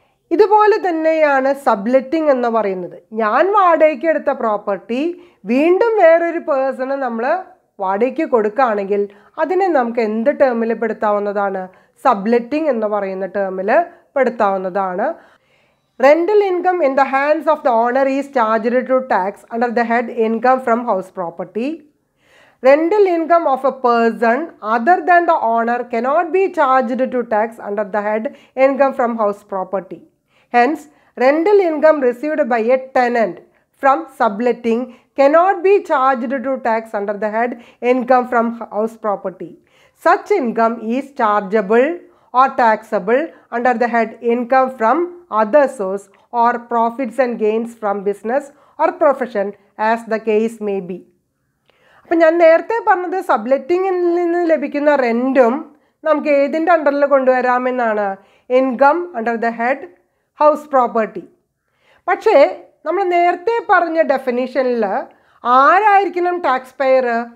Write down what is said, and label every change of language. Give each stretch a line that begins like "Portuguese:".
Malayalam: ഇതുപോലെ തന്നെയാണ് സബ്ലെറ്റിംഗ് എന്ന് പറയുന്നത്. ഞാൻ വാടകയ്ക്ക് എടുത്ത പ്രോപ്പർട്ടി വീണ്ടും വേറൊരു പേഴ്സണ് നമ്മൾ വാടകയ്ക്ക് കൊടുക്കുകയാണെങ്കിൽ അതിനെ നമുക്ക് എന്ത് ടേമിൽ പെടുത്താവുന്നതാണ്? സബ്ലെറ്റിംഗ് എന്ന് പറയുന്ന ടേമിൽ പെടുത്താവുന്നതാണ്.
English: Rental income in the hands of the owner is charged to tax under the head income from house property. Rental income of a person other than the owner cannot be charged to tax under the head income from house property. Hence, rental income received by a tenant from subletting cannot be charged to tax under the head income from house property. Such income is chargeable or taxable under the head income from other source or profits and gains from business or profession as the case may be.
Malayalam: അപ്പം ഞാൻ നേരത്തെ പറഞ്ഞത് സബ്ലെറ്റിങ്ങിൽ നിന്ന് ലഭിക്കുന്ന റെൻറ്റും നമുക്ക് ഏതിൻ്റെ അണ്ടറിൽ കൊണ്ടുവരാമെന്നാണ്,
English: Income under the head house property.
Malayalam: പക്ഷേ നമ്മൾ നേരത്തെ പറഞ്ഞ ഡെഫിനിഷനിൽ ആരായിരിക്കണം ടാക്സ് പേയർ?